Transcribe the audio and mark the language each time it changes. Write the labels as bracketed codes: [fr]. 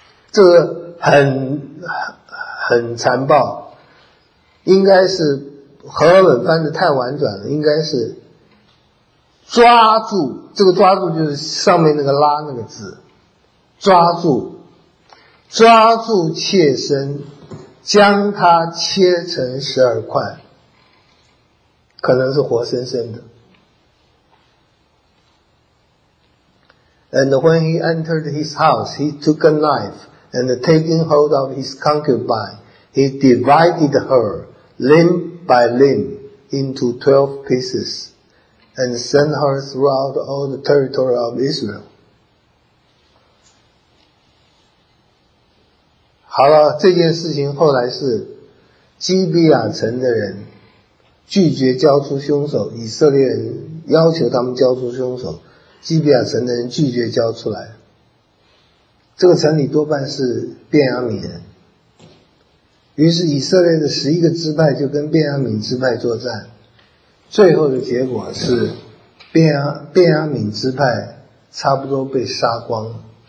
[zh] 这很残暴，应该是荷尔文翻得太婉转了，应该是抓住，这个抓住就是上面那个拉那个字，抓住，抓住妾身，将它切成十二块，可能是活生生的。 [en] And when he entered his house, he took a knife, and taking hold of his concubine, he divided her limb by limb into 12 pieces, and sent her throughout all the territory of Israel. [zh] 好了，这件事情后来是基比亚城的人拒绝交出凶手，以色列人要求他们交出凶手，基比亚城的人拒绝交出来，这个城里多半是便雅悯人，于是以色列的11个支派就跟便雅悯支派作战，最后的结果是便雅悯支派差不多被杀光了。